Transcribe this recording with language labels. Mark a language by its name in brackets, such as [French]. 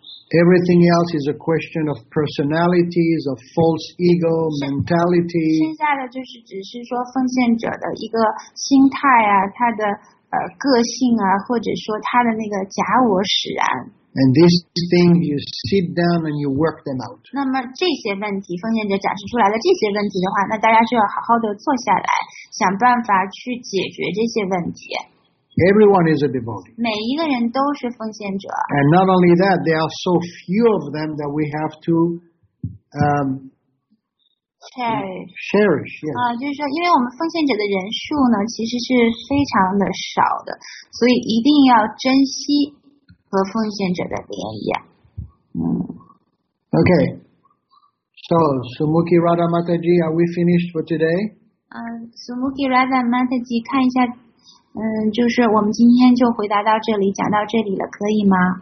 [English] Everything else is a question of personalities, of false ego, mentality. [Chinese] 剩下的就是只是说奉献者的一个心态啊，他的个性啊，或者说他的那个假我使然。 [English] And these things you sit down and you work them out. [Chinese] 那么这些问题，奉献者展示出来的这些问题的话，那大家就要好好的坐下来，想办法去解决这些问题。 [English] Everyone is a devotee. [Chinese] 每一个人都是奉献者。 [English] And not only that, there are so few of them that we have to cherish. Yeah. [Chinese] 就是说，因为我们奉献者的人数呢，其实是非常的少的，所以一定要珍惜和奉献者的联谊。嗯。 [English] Okay. So, Sumukhi Radha Mataji, are we finished for today? [Chinese] Sumukhi Radha Mataji, 看一下。就是我们今天就回答到这里，讲到这里了，可以吗？